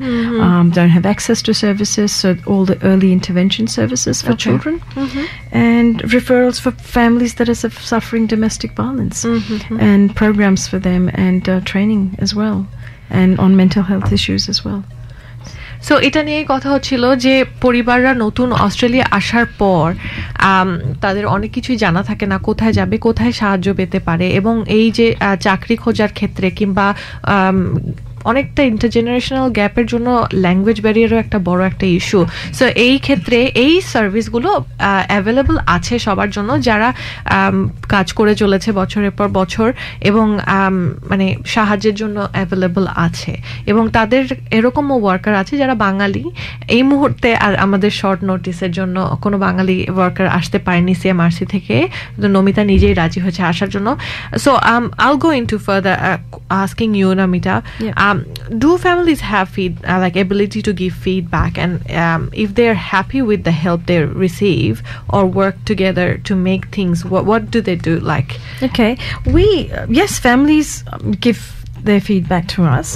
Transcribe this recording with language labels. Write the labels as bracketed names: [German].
[English] mm-hmm. Don't have access to services, so all the early intervention services for children, mm-hmm. and referrals for families that are suffering domestic violence, mm-hmm. and programs for them, and training as well, and on mental health issues as well. [Bangla] So এটা নিয়ে কথা হচ্ছিল যে পরিবাররা নতুন Australia আসার পর তাদের অনেক কিছুই জানা থাকে না, কোথায় যাবে, কোথায় সাহায্য পেতে পারে, এবং এই যে চাকরি খোঁজার ক্ষেত্রে কিংবা অনেকটা ইন্টারজেনারেশনাল গ্যাপের জন্য ল্যাঙ্গুয়েজ ব্যারিয়ারও একটা বড় একটা ইস্যু। সো এই ক্ষেত্রে এই সার্ভিসগুলো অ্যাভেলেবল আছে সবার জন্য যারা কাজ করে চলেছে বছরের পর বছর এবং মানে সাহায্যের জন্য অ্যাভেলেবল আছে, এবং তাদের এরকমও ওয়ার্কার আছে যারা বাঙালি এই মুহূর্তে আর আমাদের শর্ট নোটিসের জন্য কোনো বাঙালি ওয়ার্কার আসতে পারেনি সিএমআরসি থেকে, নমিতা নিজেই রাজি হয়েছে আসার জন্য। [English] So I'll go into further asking you Namita, do families have ability to give feedback, and if they're happy with the help they receive or work together to make things, what do they do? Families give their feedback to us,